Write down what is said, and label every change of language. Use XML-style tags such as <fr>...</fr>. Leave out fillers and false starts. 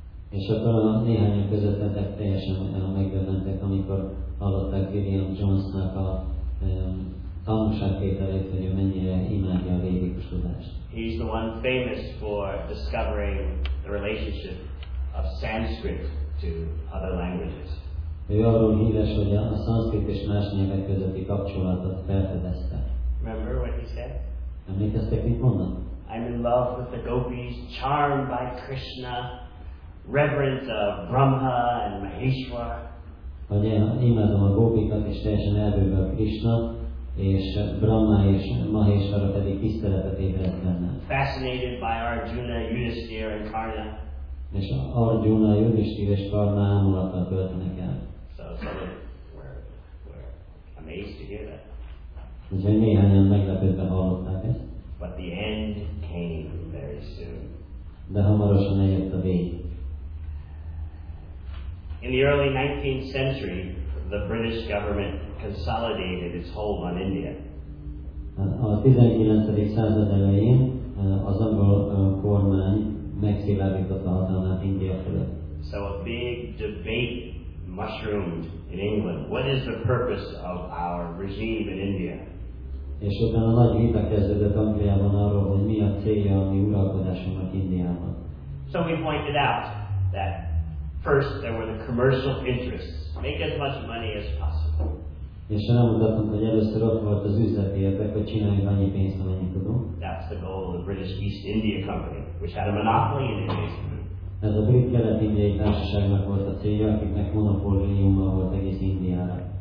<hu>És akkor néhányan közöttetek teljesen megdöbbentek, amikor hallották William Jonesnak a tanúságtételét, hogy ő mennyire imádja a védikus tudást.</hu> <en>He's the one famous for discovering the relationship of Sanskrit to other languages.</en> <hu>Ő arról híres, hogy a szanszkrit és más nyelvek közötti kapcsolatot felfedezte.</hu> <en>Remember what he said?</en> <hu>Emlékeztek, mit mondott?</hu> <en>I'm in love with the gopis, charmed by Krishna, reverent of Brahma and Maheshwar.</en> <hu>Hogy én imádom a gópikat, és teljesen elbőlve a Krishna, és Brahma és Maheshwara pedig tiszteletet ébredtenne.</hu> <en>Fascinated by Arjuna, Yudhisthira and Karna.</en> <hu>És Arjuna, Yudhisthira és Karna ámulattal töltenek el.</hu> <en>So some were amazed to hear that.</en> <hu>És egy néhányan meglepődve hallották ezt.</hu> <en>But the end came very soon.</en> <hu>De hamarosan eljött a vég.</hu> <en>In the early 19th century, the British government consolidated its hold on India.</en> <hu>A 19. század elején az angol kormány megszilárdította hatalmát India fölött.</hu> <en>So a big debate mushroomed in England. What is the purpose of our regime in India?</en> <hu>És utána nagy vita kezdődött Angliában arról, hogy mi a célja a mi uralkodásunknak Indiában.</hu> <en>So we pointed out that first there were the commercial interests. Make as much money as possible.</en> <hu>És én elmondtam, hogy először ott volt az üzleti érdek, hogy csináljunk annyi pénzt, amennyit tudunk.</hu> <en>That's the goal of the British East India Company, which had a monopoly in India.</en> <hu>Ez a brit kelet-indiai társaságnak volt a célja, akiknek monopóliuma volt egész Indiára.</hu>